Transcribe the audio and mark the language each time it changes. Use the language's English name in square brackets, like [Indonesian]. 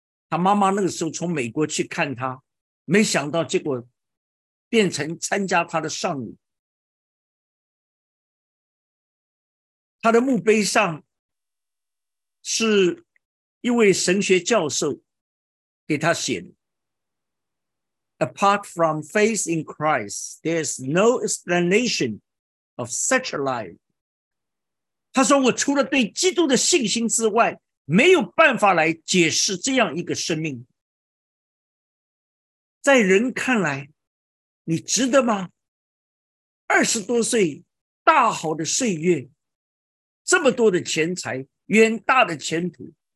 [Chinese] 他妈妈那个时候从美国去看他，没想到结果变成参加他的丧礼。他的墓碑上是一位神学教授给他写的。 [English] Apart from faith in Christ, there's no explanation of such a life. [Chinese] 他说我除了对基督的信心之外，没有办法来解释这样一个生命。在人看来，你值得吗？二十多岁，大好的岁月，这么多的钱财，远大的前途。